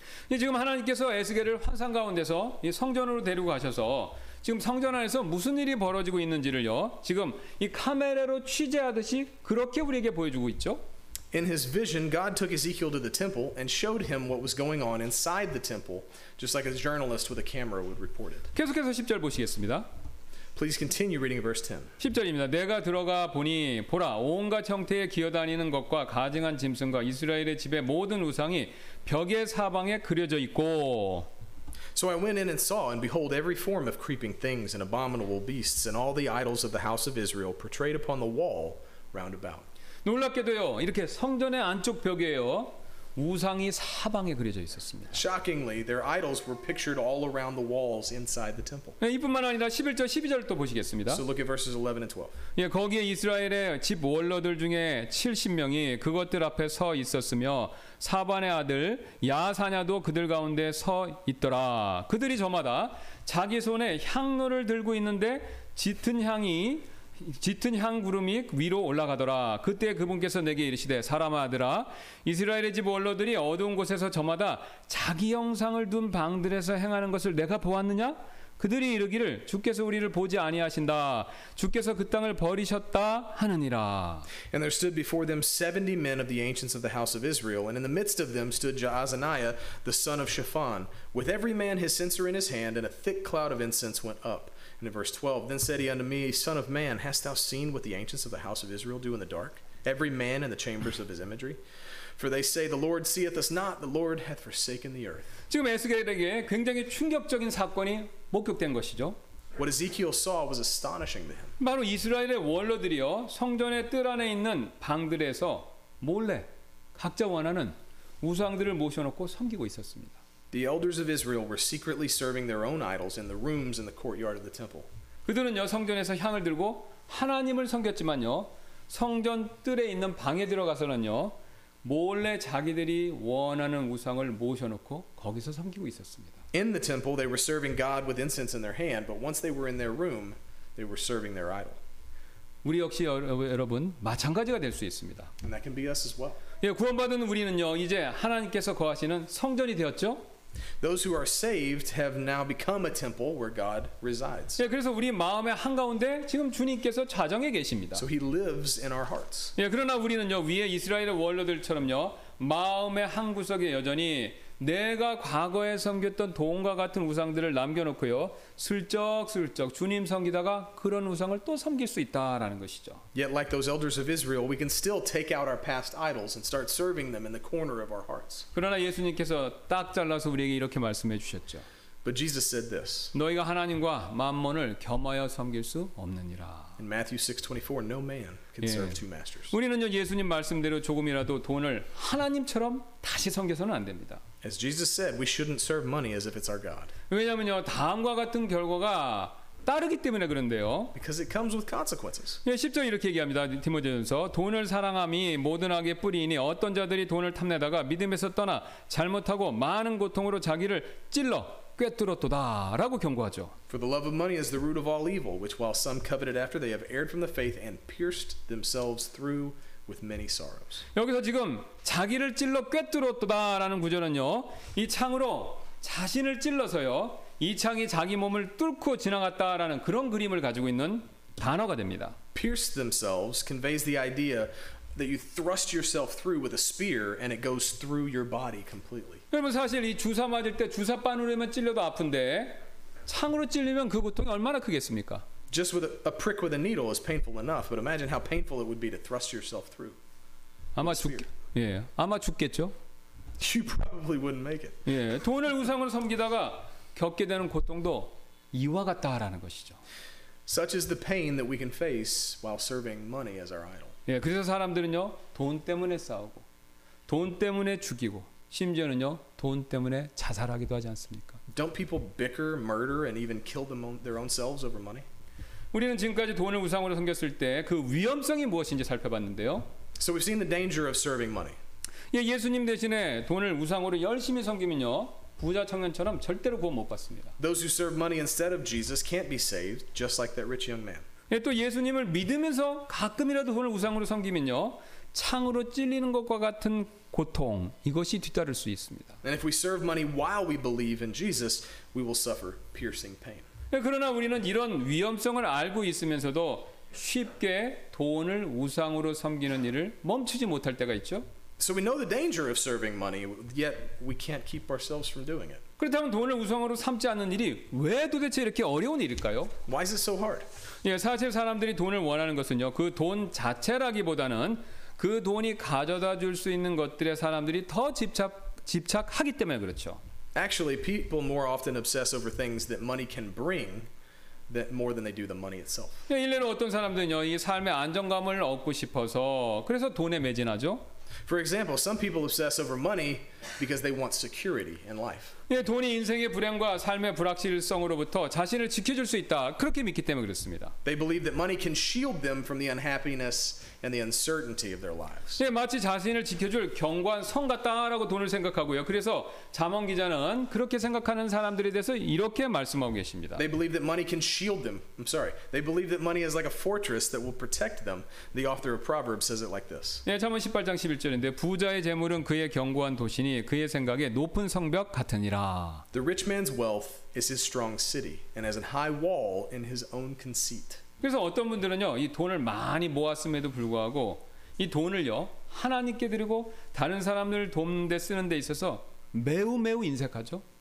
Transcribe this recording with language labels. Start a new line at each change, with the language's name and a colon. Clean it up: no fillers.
Korean: 예, 지금 하나님께서 에스겔을 환상 가운데서 이 성전으로 데리고 가셔서 지금 성전 안에서 무슨 일이 벌어지고 있는지를요. 지금 이 카메라로 취재하듯이 그렇게 우리에게 보여주고 있죠.
English: In his vision, God took Ezekiel to the temple and showed him what was going on inside the temple, just like a journalist with a camera would report it.
Korean: 계속해서 10절 보시겠습니다.
English: Please continue reading verse 10.
Korean: 10절입니다. 내가 들어가 보니 보라 온갖 형태의 기어다니는 것과 가증한 짐승과 이스라엘의 집의 모든 우상이 벽의 사방에 그려져 있고.
English: So I went in and saw, and behold, every form of creeping things and abominable beasts and all the idols of the house of Israel portrayed upon the wall round about.
Korean: 놀랍게도요, 이렇게 성전의 안쪽 벽에요 우상이 사방에 그려져 있었습니다.
English: Shockingly, their idols were pictured all around the walls inside the temple.
Korean: 예, 이뿐만 아니라 11절, 12절 또 보시겠습니다.
English: So look at verses 11 and 12.
Korean: 예, 거기에 이스라엘의 집 원로들 중에 70명이 그것들 앞에 서 있었으며 사반의 아들 야사냐도 그들 가운데 서 있더라. 그들이 저마다 자기 손에 향로를 들고 있는데 짙은 향구름이 위로 올라가더라. 그때 그분께서 내게 이르시되 사람아 아들아 이스라엘의 집 원로들이 어두운 곳에서 저마다 자기 형상을 둔 방들에서 행하는 것을 내가 보았느냐? 그들이 이르기를 주께서 우리를 보지 아니하신다. 주께서 그 땅을 버리셨다 하느니라.
English: And there stood before them 70 men of the ancients of the house of Israel, and in the midst of them stood Jaazaniah the son of Shaphan, with every man his censer in his hand, and a thick cloud of incense went up. And in verse 12, then said he unto me, Son of man, hast thou seen what the ancients of the house of Israel do in the dark, every man in the chambers of his imagery? For they say, The Lord seeth us not, the Lord hath forsaken the earth.
Korean: 지금 에스겔에게 굉장히 충격적인 사건이 목격된 것이죠.
English: What Ezekiel saw was astonishing to him.
Korean: 바로 이스라엘의 원로들이요, 성전의 뜰 안에 있는 방들에서 몰래 각자 원하는 우상들을 모셔놓고 섬기고 있었습니다.
English: The elders of Israel were secretly serving their own idols in the rooms in the courtyard of the temple.
Korean: 그들은요 성전에서 향을 들고 하나님을 섬겼지만요 성전 뜰에 있는 방에 들어가서는요 몰래 자기들이 원하는 우상을 모셔놓고 거기서 섬기고 있었습니다.
English: In the temple, they were serving God with incense in their hand, but once they were in their room, they were serving their idol.
Korean: 우리 역시 여러분 마찬가지가 될 수 있습니다.
English: And that can be us as well.
Korean: 예, 구원받은 우리는요 이제 하나님께서 거하시는 성전이 되었죠.
English: Those who are saved have now become a temple where God resides.
Korean: 예, 그래서 우리 마음의 한 가운데 지금 주님께서 좌정해 계십니다.
English: So He lives in our hearts.
Korean: 예, 그러나 우리는요 위에 이스라엘의 원로들처럼요 마음의 한 구석에 여전히 내가 과거에 섬겼던 동과 같은 우상들을 남겨놓고요 슬쩍슬쩍 주님 섬기다가 그런 우상을 또 섬길 수 있다라는 것이죠.
English: Yet like those elders of Israel, we can still take out our past idols and start serving them in the corner of our hearts.
Korean: 그러나 예수님께서 딱 잘라서 우리에게 이렇게 말씀해 주셨죠.
English: But Jesus said this.
Korean: 너희가 하나님과 만물을 겸하여 섬길 수 없느니라.
English: In Matthew 6:24, no man can serve two masters.
Korean: 우리는요 예수님 말씀대로 조금이라도 돈을 하나님처럼 다시 섬겨서는 안 됩니다.
English: As Jesus said, we shouldn't serve money as if it's our God.
Korean: 왜냐면요, 다음과 같은 결과가 따르기 때문에 그런데요.
English: Because it comes with consequences.
Korean: 예, 10절 이렇게 얘기합니다. 디모데전서 돈을 사랑함이 모든 악의 뿌리이니 어떤 자들이 돈을 탐내다가 믿음에서 떠나 잘못하고 많은 고통으로 자기를 찔러 꿰뚫었도다라고 경고하죠.
English: For the love of money is the root of all evil, which while some coveted after they have erred from the faith and pierced themselves through with many sorrows.
Korean: 여기서 지금 자기를 찔러 꿰뚫었도다라는 구절은요. 이 창으로 자신을 찔러서요. 이 창이 자기 몸을 뚫고 지나갔다라는 그런 그림을 가지고 있는 단어가 됩니다.
English: Pierce themselves conveys the idea that you thrust yourself through with a spear and it goes through your body completely.
Korean: 여러분 사실 이 주사 맞을 때 주사바늘에만 찔려도 아픈데 창으로 찔리면 그 고통이 얼마나 크겠습니까?
English: Just with a prick with a needle is painful enough, but imagine how painful it would be to thrust yourself through.
Korean: 아마 죽 예, 아마 죽겠죠.
English: You probably wouldn't make it.
Korean: 예, 돈을 우상으로 섬기다가 겪게 되는 고통도 이와 같다라는 것이죠.
English: Such is the pain that we can face while serving money as our idol.
Korean: 예, 그래서 사람들은요, 돈 때문에 싸우고 돈 때문에 죽이고 심지어는요, 돈 때문에 자살하기도 하지 않습니까?
English: Don't people bicker, murder and even kill them their own selves over money?
Korean: 우리는 지금까지 돈을 우상으로 섬겼을 때 그 위험성이 무엇인지 살펴봤는데요.
English: So we've seen the danger of serving money.
Korean: 예, 예수님 대신에 돈을 우상으로 열심히 섬기면요, 부자 청년처럼 절대로 구원 못 받습니다.
English: Those who serve money instead of Jesus can't be saved, just like that rich young man.
Korean: 예, 또 예수님을 믿으면서 가끔이라도 돈을 우상으로 섬기면요, 창으로 찔리는 것과 같은 고통, 이것이 뒤따를 수 있습니다.
English: And if we serve money while we believe in Jesus, we will suffer piercing pain.
Korean: 예, 그러나 우리는 이런 위험성을 알고 있으면서도 쉽게 돈을 우상으로 섬기는 일을 멈추지 못할 때가 있죠.
English: So we know the danger of serving money, yet we can't keep ourselves from doing it.
Korean: 그렇다면 돈을 우상으로 삼지 않는 일이 왜 도대체 이렇게 어려운 일일까요?
English: Why is it so hard?
Korean: 예, 사실 사람들이 돈을 원하는 것은요, 그 돈 자체라기보다는 그 돈이 가져다 줄 수 있는 것들에 사람들이 더 집착하기 때문에 그렇죠.
English: Actually, people more often obsess over things that money can bring that more than they do the money itself.
Korean: 예, 일례로 어떤 사람들은요, 이 삶의 안정감을 얻고 싶어서 그래서 돈에 매진하죠.
English: For example, some people obsess over money because they want security in life.
Korean: 예, 돈이 인생의 불행과 삶의 불확실성으로부터 자신을 지켜줄 수 있다. 그렇게 믿기 때문에 그렇습니다.
English: They believe that money can shield them from the unhappiness and the uncertainty of their lives.
Korean: 예, 마치 자신을 지켜줄 견고한 성 같다라고 돈을 생각하고요. 그래서 잠언 기자는 그렇게 생각하는 사람들에 대해서 이렇게 말씀하고 계십니다.
English: They believe that money can shield them. I'm sorry. They believe that money is like a fortress that will protect them. The author of Proverbs says it like this.
Korean: 예, 잠언 18장 11절인데 부자의 재물은 그의 견고한 도시니 그의 생각에 높은 성벽 같으니
English: The rich man's wealth is his strong city and has a high wall in his own conceit.
Korean: 그래서 어떤 분들은요, 이 돈을 많이 모았음에도 불구하고 이 돈을요, 하나님께 드리고 다른 사람들 돕는데 쓰는 데 있어서 매우 매우 인색하죠.